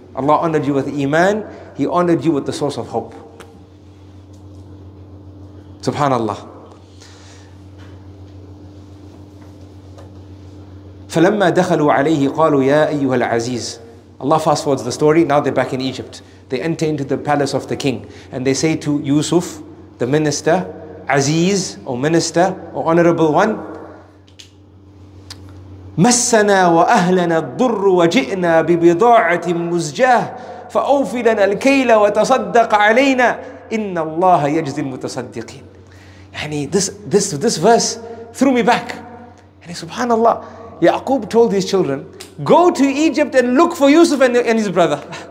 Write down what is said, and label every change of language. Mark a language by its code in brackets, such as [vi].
[en] Allah honored you with iman. He honored you with the source of hope. SubhanAllah. [ar] فَلَمَّا دَخَلُوا عَلَيْهِ قَالُوا يَا أَيُّهَا الْعَزِيزِ. [en] Allah fast forwards the story. Now they're back in Egypt. They enter into the palace of the king. And they say to Yusuf, the minister, Aziz, or minister, or honorable one, [ar] مسنا وأهلنا الضر وجئنا ببضاعة مزجاة فأوفلنا الكيل وتصدق علينا إن الله يجزي المتصدقين. [en] يعني this verse threw me back. يعني subhanAllah, Yaqub told his children, go to Egypt and look for Yusuf and his brother.